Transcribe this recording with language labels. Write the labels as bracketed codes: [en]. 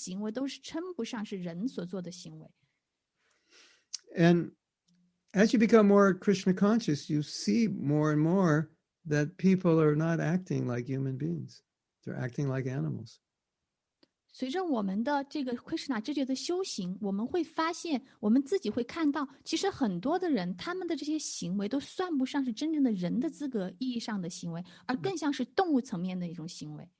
[zh] 有一次帕帕哈德他会讨论到现代人的这些所作所为，他会说现代人他们做的这么多可怕的这些举动，实际上他们所做的人做的这些行为都是称不上是人所做的行为。 [en] And as you become more Krishna conscious, you see more and more that people are not acting like human beings. They're acting like animals. [zh] 随着我们的这个Krishna直觉的修行，我们会发现，我们自己会看到，其实很多的人，他们的这些行为都算不上是真正的人的资格意义上的行为，而更像是动物层面的一种行为。